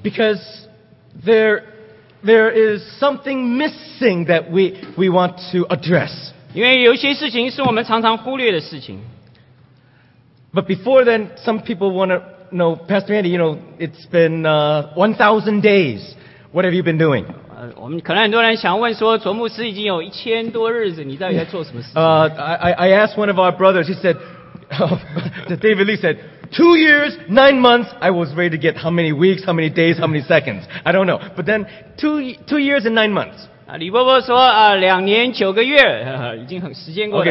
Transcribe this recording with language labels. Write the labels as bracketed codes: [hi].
[en] Because there is something missing that we want to address. [zh] 因为有些事情是我们常常忽略的事情。 [en] But before then, some people want to know, Pastor Andy, you know, it's been 1,000 days. What have you been doing? [zh] 我们可能很多人想问说，卓牧师已经有1000多日子，你到底在做什么事？ [en] I asked one of our brothers. He said, David Lee said, 2 years, 9 months. I was ready to get how many weeks, how many days, how many seconds. I don't know. But then two years and 9 months. [zh] 李伯伯说，两年九个月，已经很时间过了。